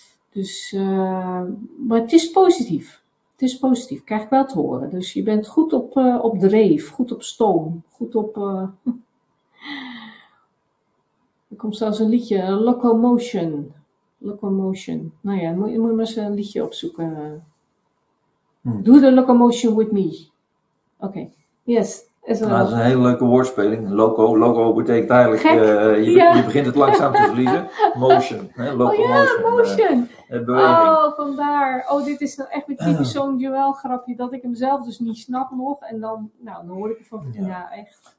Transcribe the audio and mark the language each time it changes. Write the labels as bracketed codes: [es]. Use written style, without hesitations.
[nl] Dus, maar het is positief. Het is positief, krijg ik wel te horen. Dus je bent goed op dreef, goed op stoom, goed op... Er komt zelfs een liedje, Locomotion. Locomotion. Nou ja, moet je maar eens een liedje opzoeken. [en] Do the locomotion with me. Oké, yes. [nl] Dat is een hele leuke woordspeling. Loco betekent eigenlijk, je begint het langzaam te verliezen. [en] Motion. Motion. [nl] Beweging. Oh, vandaar. Oh, dit is nou echt een typisch zo'n duelgrapje, dat ik hem zelf dus niet snap nog. En dan, nou, dan hoor ik ervan. Ja, ja, echt.